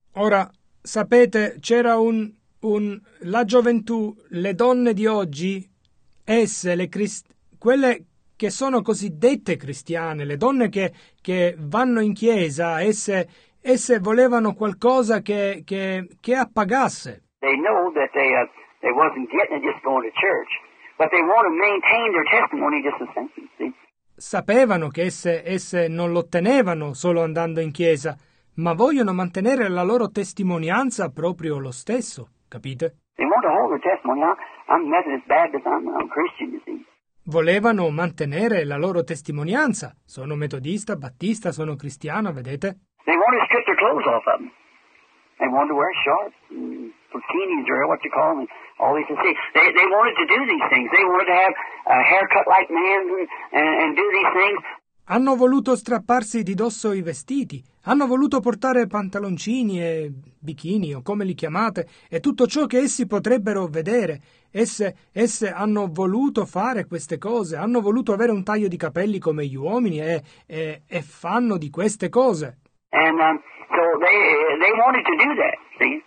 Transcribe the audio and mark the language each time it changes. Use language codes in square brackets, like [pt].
[it] Ora, sapete, c'era la gioventù, le donne di oggi, esse, quelle che sono cosiddette cristiane, le donne che vanno in chiesa, esse volevano qualcosa che appagasse. [en] They know that they wasn't getting it just going to church, but they want to maintain their testimony just the same, see? [it] Sapevano che esse non lo ottenevano solo andando in chiesa, ma vogliono mantenere la loro testimonianza proprio lo stesso, capite? [en] They want to hold their testimony. I'm Methodist Baptist, I'm Christian, you see. [it] Volevano mantenere la loro testimonianza. Sono metodista, battista, sono cristiano, vedete? [en] They want to strip their clothes off of them. They want to wear shorts, bikinis, or what you call them, all these things. They wanted to do these things. They wanted to have a haircut like man and do these things. [it] Hanno voluto strapparsi di dosso i vestiti. Hanno voluto portare pantaloncini e bikini, o come li chiamate, e tutto ciò che essi potrebbero vedere. Esse hanno voluto fare queste cose, hanno voluto avere un taglio di capelli come gli uomini e fanno di queste cose. [en] And so they wanted to do that, see?